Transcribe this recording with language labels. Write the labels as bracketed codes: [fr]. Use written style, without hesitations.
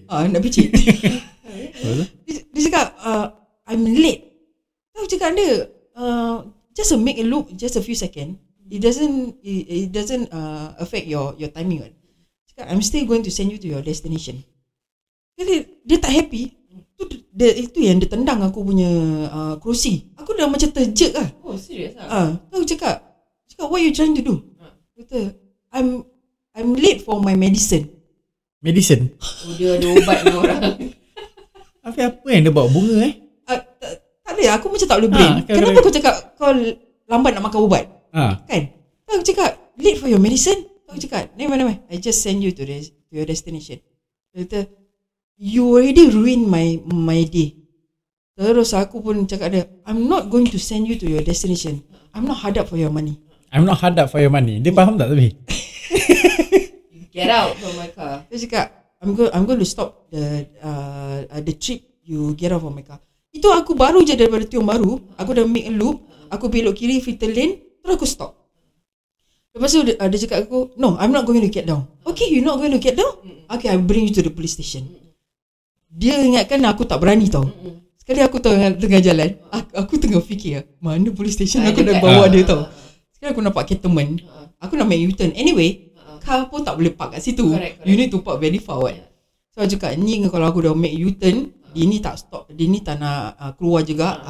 [ms] Ha, nak picit. Dia cakap, [en] I'm late. [ms] Tahu cakap dia, [en] just a make a loop, just a few second. It doesn't affect your timing. Kan? Cakap, I'm still going to send you to your destination. [ms] Jadi dia tak happy. Itu yang dia tendang aku punya kerusi. Aku dah macam terjek lah. Oh, serius lah? Aku cakap, [en] what you trying to do? Kata, I'm late for my medicine. Medicine? [ms] Oh, dia ada ubat dengan orang. Afi, apa yang dia bawa bunga eh? Tak ada, aku macam tak boleh brain. Kenapa aku cakap kau lambat nak makan ubat? Kan? Aku cakap, [en] late for your medicine? Aku cakap, nevermind, I just send you to your destination. Kata, you already ruined my day. [ms] Terus aku pun cakap dia, [en] I'm not going to send you to your destination. I'm not hard up for your money. I'm not hard up for your money. [ms] Dia faham tak tapi? [en] Get out from my car. [ms] Dia cakap, [en] I'm going to stop the trip you get out from my car. [ms] Itu aku baru je daripada Tiong Baru. Aku dah [en] make a loop. [ms] Aku belok kiri, filter lane. Terus aku stop. Lepas tu dia cakap aku, [en] no, I'm not going to get down. Okay, you're not going to get down? Okay, I'll bring you to the police station. [ms] Dia ingatkan aku tak berani tau. Sekali aku tengah jalan, aku tengah fikir, mana police station aku dah bawa dia tau. Sekali aku nampak cantonment, aku nak make U-turn. Anyway, car pun tak boleh park kat situ. [en] Correct. You need to park very far. [ms] So aku cakap, ni kalau aku dah make U-turn, dia ni tak stop, dia ni tak nak keluar juga.